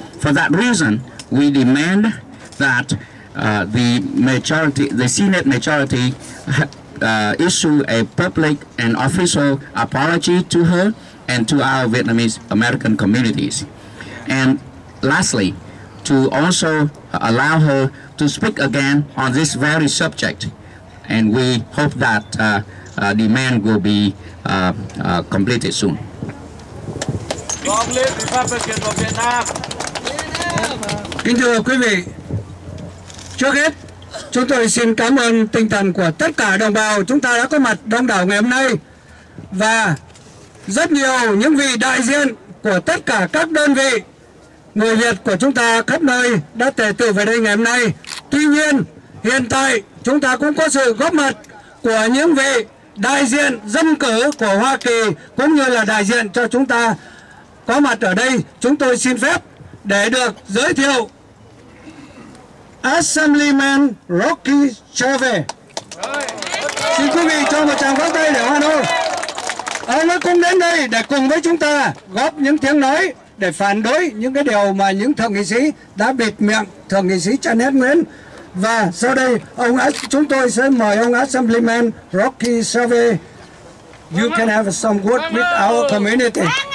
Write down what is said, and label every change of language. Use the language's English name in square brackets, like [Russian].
[English] For that reason, we demand that the majority, the Senate majority, issue a public and official apology to her and to our Vietnamese American communities. And lastly, to also allow her to speak again on this very subject. And we hope that demand will be completed soon. Long live Republican of Vietnam. [Vietnamese] Kính thưa quý vị, trước hết, chúng tôi xin cảm ơn tinh thần của tất cả đồng bào chúng ta đã có mặt đông đảo ngày hôm nay và rất nhiều những vị đại diện của tất cả các đơn vị người Việt của chúng ta khắp nơi đã tề tựu về đây ngày hôm nay. Tuy nhiên, hiện tại chúng ta cũng có sự góp mặt của những vị đại diện dân cử của Hoa Kỳ cũng như là đại diện cho chúng ta có mặt ở đây. Chúng tôi xin phép để được giới thiệu Assemblyman Rocky Chavez. Xin quý vị cho một tràng pháo tay để hoan hô. Ông ấy cũng đến đây để cùng với chúng ta góp những tiếng nói để phản đối những cái điều mà những thượng nghị sĩ đã bịt miệng thượng nghị sĩ TNS Nguyễn. Và sau đây ông chúng tôi sẽ mời ông Assemblyman Rocky Chavez. [English] You can have some word with our community.